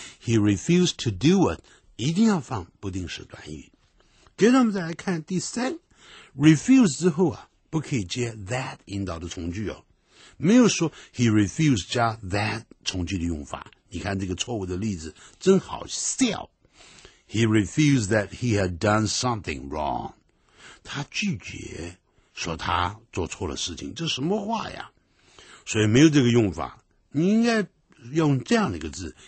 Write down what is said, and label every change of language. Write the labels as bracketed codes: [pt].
[en] He refused to do it. [zh] 一定要放不定式短语。接着我们再来看第三。Refuse 之后啊不可以接 that 引导的从句哦。没有说 [en] he refused [zh] 加 that 从句的用法。你看这个错误的例子真好笑。 [en] He refused that he had done something wrong. [zh] 他拒绝说他做错了事情。这什么话呀？所以没有这个用法。你应该用这样的一个字。